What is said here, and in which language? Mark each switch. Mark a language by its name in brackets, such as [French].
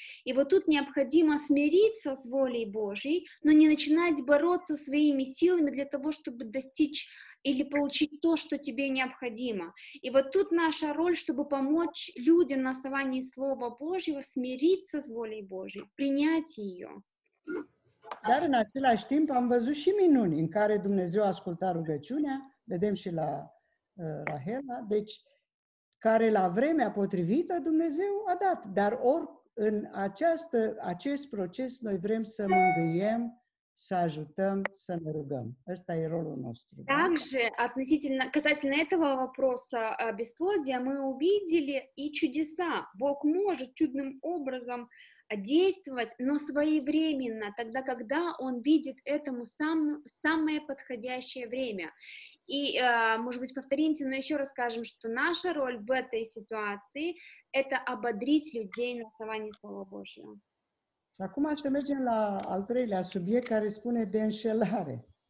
[Russian] И вот тут необходимо смириться с волей Божьей, но не начинать бороться своими силами для того, чтобы достичь или получить то, что тебе необходимо. И вот тут наша роль, чтобы помочь людям на основании Слова Божьего смириться с волей Божьей, принять ее. [Romanian] Dar în același timp am văzut și minuni în care Dumnezeu a ascultat rugăciunea, vedem și la Rahela, deci care la vremea potrivită Dumnezeu a dat. Dar în acest proces noi vrem să mângâiem, să ajutăm, să ne rugăm. Ăsta e rolul nostru. [Russian] Также, касательно этого вопроса бесплодия, мы увидели и чудеса. Бог может чудным образом действовать, но своевременно, тогда, когда он видит этому самое подходящее время. И, может быть, повторимся, но еще расскажем, что наша роль в этой ситуации — это ободрить людей на основании Слова Божьего. [Romanian] Acum să mergem la al treilea subiect, care spune de înșelare.